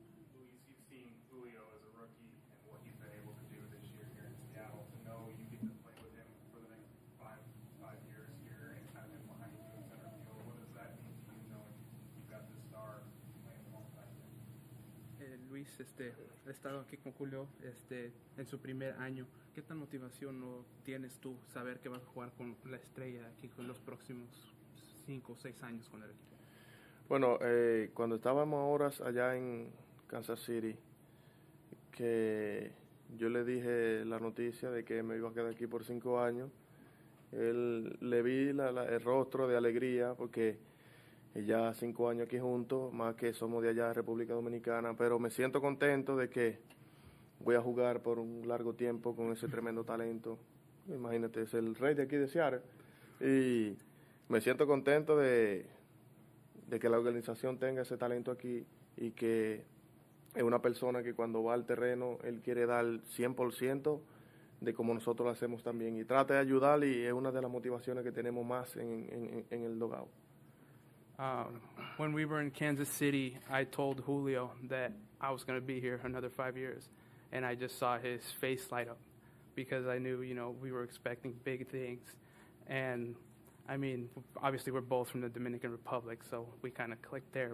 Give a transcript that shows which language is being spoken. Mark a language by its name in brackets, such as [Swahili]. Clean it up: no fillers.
[English] Luis, you've seen Julio as a rookie and what he's been able to do this year here in Seattle. To know you get to play with him for the next five years here and kind of behind you in center field, what does that mean to you, knowing you've got the star playing alongside him? Luis, he's been here with Julio in his first año. [Spanish] ¿Qué tan motivación no tienes tú saber que vas a jugar con la estrella aquí con los próximos 5 o 6 años con él? Bueno, cuando estábamos ahora allá en Kansas City, que yo le dije la noticia de que me iba a quedar aquí por 5 años, él le vi el rostro de alegría, porque ya 5 años aquí juntos, más que somos de allá de República Dominicana, pero me siento contento de que voy a jugar por un largo tiempo con ese tremendo talento. Imagínate, es el rey de aquí de Seattle. Y me siento contento de que la organización tenga ese talento aquí y que es una persona que cuando va al terreno, él quiere dar 100% de como nosotros lo hacemos también. Y trata de ayudar, y es una de las motivaciones que tenemos más en el dugout. [English] When we were in Kansas City, I told Julio that I was going to be here another 5 years. And I just saw his face light up, because I knew, you know, we were expecting big things. And, I mean, obviously we're both from the Dominican Republic, so we kind of clicked there.